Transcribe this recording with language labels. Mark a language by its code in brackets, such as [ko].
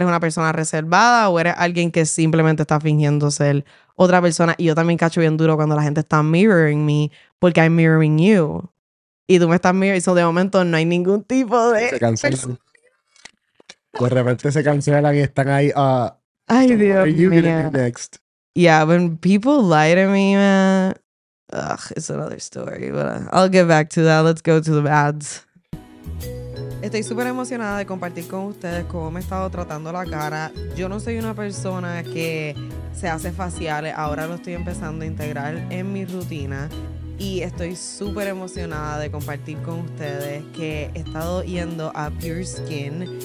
[es] ¿Eres una persona reservada? ¿O eres alguien que simplemente está fingiendo ser otra persona? Y yo también cacho bien duro cuando la gente está mirroring me porque [en] I'm mirroring you. [es] Y tú me estás mirroring. So de momento no hay ningún tipo de... se cancelan. Pues de repente se cancelan y están ahí... ay, Dios mío. ¿Qué vas a hacer next? [en] Yeah, when people lie to me, man, ugh, it's another story, but I'll get back to that. Let's go to the ads. [es] Estoy súper emocionada de compartir con ustedes cómo me he estado tratando la cara. Yo no soy una persona que se hace faciales. Ahora lo estoy empezando a integrar en mi rutina. Y estoy súper emocionada de compartir con ustedes que he estado yendo a Pure Skin.